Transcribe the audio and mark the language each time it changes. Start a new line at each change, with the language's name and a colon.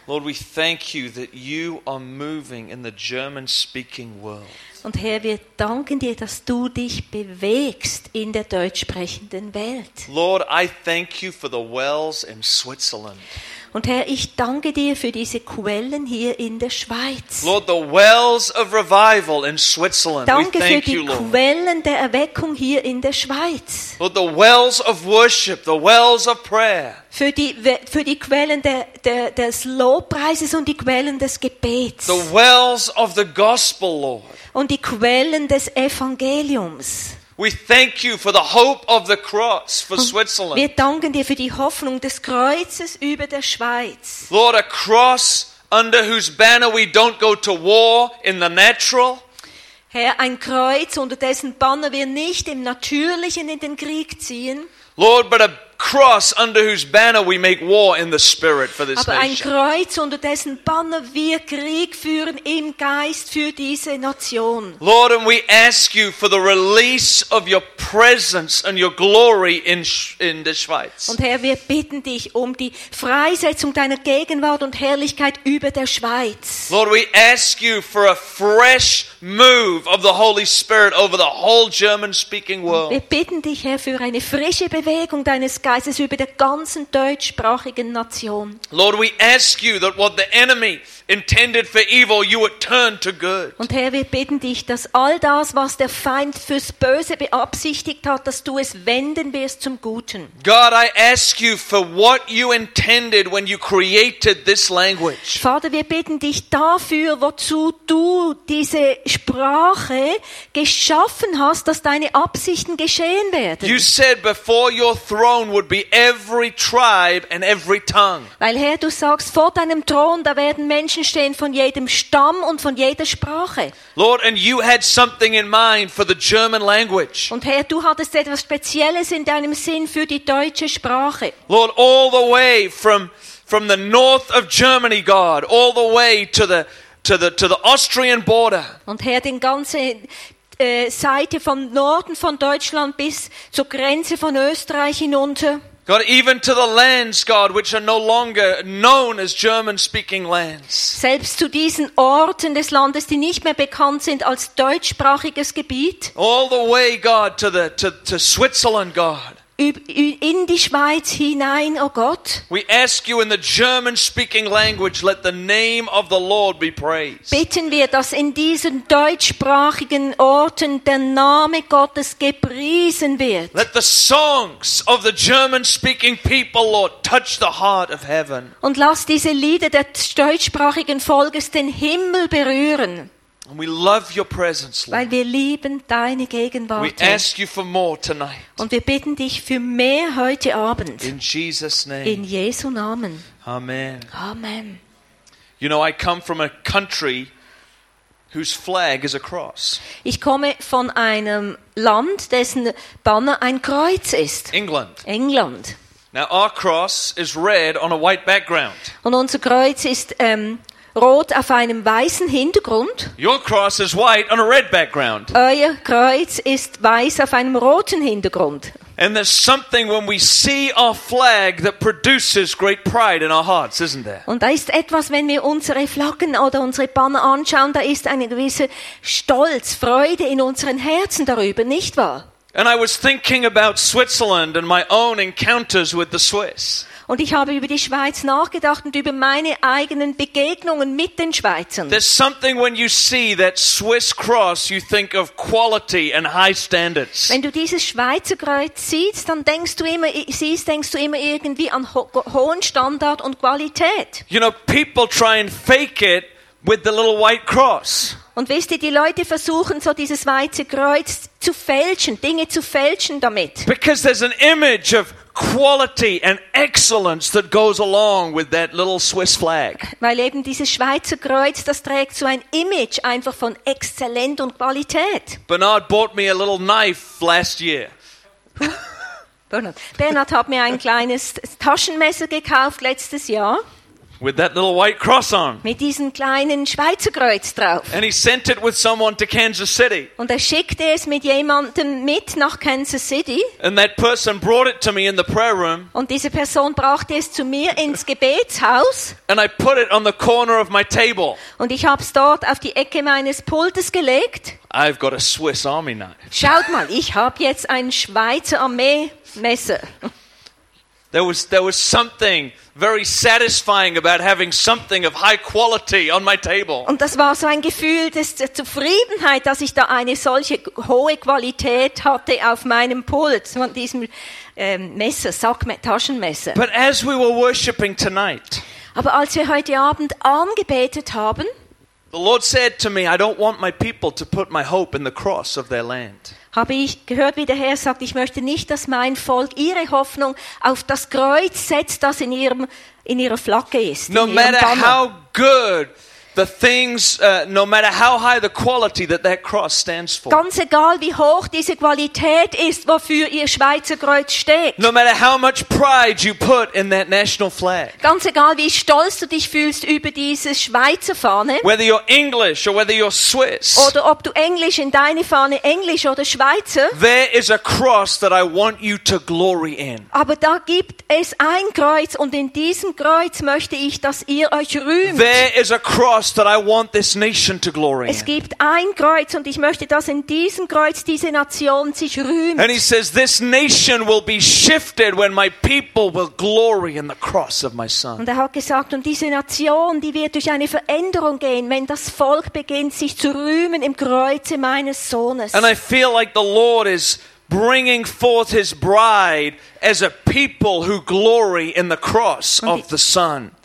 English: Lord, we thank you that you are moving in the German-speaking world.
German: Und Herr, wir danken dir, dass du dich bewegst in der deutschsprechenden Welt.
English: Lord, I thank you for the wells in Switzerland.
German: Und Herr, ich danke dir für diese Quellen hier in der Schweiz.
English: Lord, the wells of revival in Switzerland.
German: Danke für die Quellen der Erweckung hier in der Schweiz.
English: Lord, the wells of worship, the wells of prayer.
German: Für die Quellen des Lobpreises und die Quellen des Gebets.
English: The wells of the gospel, Lord.
German: Und die Quellen des Evangeliums.
English: We thank you for the hope of the cross for Switzerland.
German: Wir danken dir für die Hoffnung des Kreuzes über der Schweiz.
English: Lord, a cross under whose banner we don't go to war in the natural.
German: Herr, ein Kreuz, unter dessen Banner wir nicht im Natürlichen in den Krieg ziehen.
English: Lord, but a cross under whose banner we make war in the spirit for this nation.
German: Aber ein Kreuz, unter dessen Banner wir Krieg führen im Geist für diese Nation.
English: Lord, and we ask you for the release of your presence and your glory in the Schweiz.
German: Und Herr, wir bitten dich um die Freisetzung deiner Gegenwart und Herrlichkeit über der Schweiz.
English: Lord, we ask you for a fresh move of the Holy Spirit over the whole German-speaking world.
German: Wir bitten dich, Herr, für eine frische Bewegung deines Geistes über der ganzen deutschsprachigen Nation.
English: Lord, we ask you that what the enemy intended for evil, you would turn to good.
German: Und Herr, wir bitten dich, dass all das, was der Feind fürs Böse beabsichtigt hat, dass du es wenden wirst zum Guten.
English: God, I ask you for what you intended when you created this language.
German: Vater, wir bitten dich dafür, wozu du diese Sprache geschaffen hast, dass deine Absichten geschehen werden.
English: You said before your throne would be every tribe and every tongue.
German: Weil Herr, du sagst, vor deinem Thron, da werden Menschen stehen von jedem Stamm und von jeder Sprache.
English: Lord, and you had something in mind for the German language.
German: Und Herr, du hattest etwas Spezielles in deinem Sinn für die deutsche Sprache.
English: Lord, all the way from the north of Germany, God, all the way to the Austrian border.
German: Und Herr, den ganzen Seite vom Norden von Deutschland bis zur Grenze von Österreich hinunter.
English: God, even to the lands, God, which are no longer known as German-speaking lands.
German: Selbst zu diesen Orten des Landes, die nicht mehr bekannt sind als deutschsprachiges Gebiet.
English: All the way, God, to Switzerland, God.
German: In die Schweiz hinein, oh Gott.
English: We ask you in the German-speaking language, let the name of the Lord be praised.
German: Bitten wir, dass in diesen deutschsprachigen Orten der Name Gottes gepriesen wird.
English: Let the songs of the German-speaking people, Lord, touch the heart of heaven.
German: Und lass diese Lieder des deutschsprachigen Volkes den Himmel berühren.
English: And we love your presence, Lord.
German: Weil wir lieben deine Gegenwart.
English: We ask you for more tonight.
German: Und wir bitten dich für mehr heute Abend.
English: In Jesus' name.
German: In Jesu Namen.
English: Amen.
German: Amen.
English: You know, I come from a country whose flag is a cross.
German: Ich komme von einem Land, dessen Banner ein Kreuz ist.
English: England.
German: England.
English: Now our cross is red on a white background.
German: Und unser Kreuz ist rot auf einem weißen Hintergrund.
English: Your cross is white on a red background.
German: Euer Kreuz ist weiß auf einem roten Hintergrund.
English: And there's something when we see our flag that produces great pride in our hearts, isn't there?
German: Und da ist etwas, wenn wir unsere Flaggen oder unsere Banner anschauen, da ist eine gewisse Stolz, Freude in unseren Herzen darüber, nicht wahr?
English: And I was thinking about Switzerland and my own encounters with the Swiss.
German: Und ich habe über die Schweiz nachgedacht und über meine eigenen Begegnungen mit den Schweizern.
English: There's something when you see that Swiss cross, you think of quality and high standards.
German: Wenn du dieses Schweizer Kreuz siehst, dann denkst du immer irgendwie an hohen Standard und Qualität.
English: You know, people try and fake it with the little white cross.
German: Und wisst ihr, die Leute versuchen so dieses weiße Kreuz zu fälschen, Dinge zu fälschen damit.
English: Because there's an image of quality and excellence that goes along with that little Swiss flag.
German: Weil eben dieses Schweizer Kreuz, das trägt so ein Image einfach von Exzellent und Qualität.
English: Bernard bought me a little knife last year.
German: Bernard hat mir ein kleines Taschenmesser gekauft letztes Jahr.
English: With that little white cross on.
German: Mit diesem kleinen Schweizer Kreuz drauf.
English: And he sent it with someone to Kansas City.
German: Und schickte es mit jemandem mit nach Kansas City.
English: And that person brought it to me in the prayer room.
German: Und diese Person brachte es zu mir ins Gebetshaus.
English: And I put it on the corner of my table.
German: Und ich hab's dort auf die Ecke meines Pultes gelegt.
English: I've got a Swiss Army knife.
German: Schaut mal, ich hab jetzt ein Schweizer Armeemesser.
English: There was something very satisfying about having something of high quality on my table.
German: Und das war so ein Gefühl des Zufriedenheit, dass ich da eine solche hohe Qualität hatte auf meinem Pult, von diesem Messer, Taschenmesser.
English: But as we were worshiping tonight,
German: aber als wir heute Abend angebetet haben,
English: the Lord said to me, I don't want my people to put my hope in the cross of their land.
German: Habe ich gehört, wie der Herr sagt, ich möchte nicht, dass mein Volk ihre Hoffnung auf das Kreuz setzt, das in ihrer Flagge ist.
English: No matter how good the things, no matter how high the quality that that cross stands for.
German: Ganz egal, wie hoch diese Qualität ist, wofür ihr Schweizer Kreuz steht.
English: No matter how much pride you put in that national flag.
German: Ganz egal, wie stolz du dich fühlst über diese Schweizer Fahne.
English: Whether you're English or whether you're Swiss.
German: Oder ob du Englisch in deine Fahne, Englisch oder Schweizer.
English: There is a cross that I want you to glory in.
German: Aber da gibt es ein Kreuz und in diesem Kreuz möchte ich, dass ihr euch rühmt.
English: There is a cross that I want this nation to glory in.
German: Es gibt ein Kreuz und ich möchte, dass in diesem Kreuz diese Nation sich rühmt.
English: And he says, this nation will be shifted when my people will glory in the cross of my son.
German: Und hat gesagt, und diese Nation, die wird durch eine Veränderung gehen, wenn das Volk beginnt, sich zu rühmen im Kreuze meines Sohnes.
English: And I feel like the Lord is bringing forth his bride as a people who glory in the cross of the son.